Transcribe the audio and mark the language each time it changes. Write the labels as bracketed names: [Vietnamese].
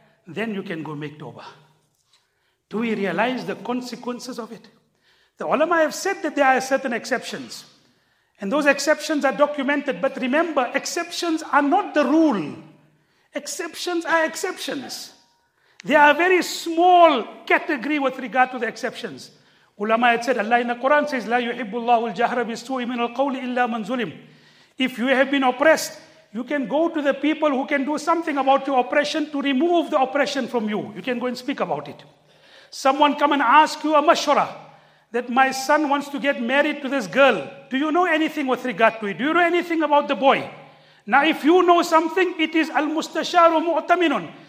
[English] Then you can go make Toba. Do we realize the consequences of it? The ulama have said that there are certain exceptions. And those exceptions are documented. But remember, exceptions are not the rule. Exceptions are exceptions. They are a very small category with regard to the exceptions. Ulama had said, Allah in the Quran says, [Arabic] لَا يُحِبُّ اللَّهُ الْجَهْرَ بِسُوءٍ مِنَ الْقَوْلِ إِلَّا مَنْ ظُلِمْ. [English] If you have been oppressed, you can go to the people who can do something about your oppression to remove the oppression from you. You can go and speak about it. Someone come and ask you a mashura, that my son wants to get married to this girl. Do you know anything with regard to it? Do you know anything about the boy? Now, if you know something, it is [Arabic] al-mustasharu mu'taminun.